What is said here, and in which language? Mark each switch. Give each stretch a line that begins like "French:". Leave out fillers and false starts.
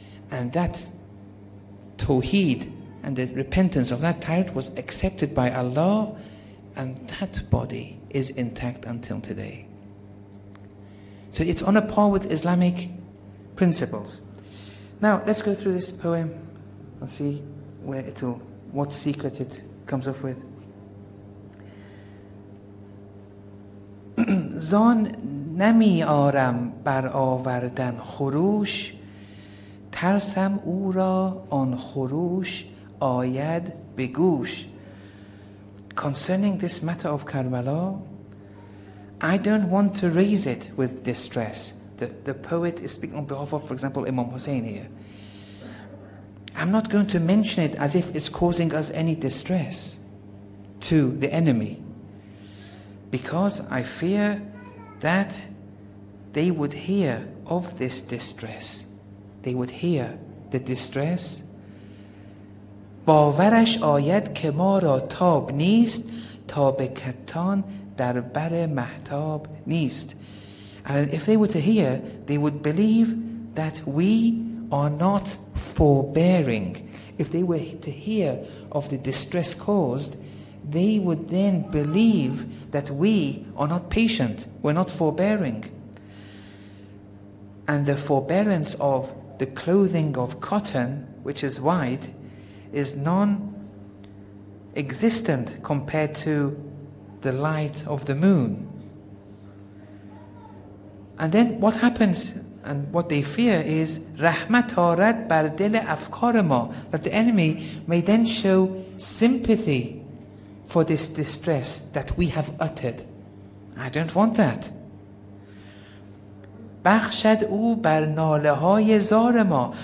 English: And that tawheed and the repentance of that tyrant was accepted by Allah, and that body is intact until today. So it's on a par with Islamic principles. Now let's go through this poem and see where it'll, what secrets it comes up with.
Persian: زان نمی آرم بر آوردن خروش ترسم او را آن خروش آید به گوش.
English: Concerning this matter of Karbala, I don't want to raise it with distress. The poet is speaking on behalf of, for example, Imam Hussein here. I'm not going to mention it as if it's causing us any distress to the enemy, because I fear that they would hear of this distress. They would hear the distress.
Persian: باورش آید که ما را تاب نیست تا به کتان در بر مهتاب نیست.
English: And if they were to hear, they would believe that we are not forbearing. If they were to hear of the distress caused, they would then believe that we are not patient, we're not forbearing. And the forbearance of the clothing of cotton, which is white, is non-existent compared to the light of the moon. And then what happens and what they fear is
Persian: رحمت آرد بر دل افکار ما,
English: that the enemy may then show sympathy for this distress that we have uttered. I don't want that.
Persian: بخشد او بر ناله های زار ما.